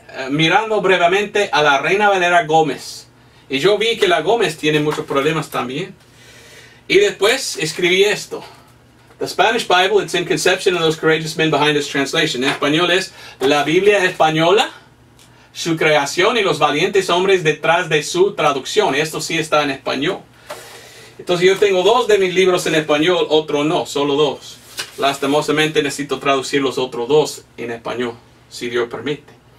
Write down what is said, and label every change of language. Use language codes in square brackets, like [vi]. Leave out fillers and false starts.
[es] Mirando brevemente a la Reina Valera Gómez. Y yo vi que la Gómez tiene muchos problemas también. Y después escribí esto. [en] The Spanish Bible, its inconception of those courageous men behind its translation. [es] En español es la Biblia española, su creación y los valientes hombres detrás de su traducción. Esto sí está en español. Entonces yo tengo 2 de mis libros en español, otro no, solo 2. Lastimosamente necesito traducir los otros 2 en español, si Dios permite.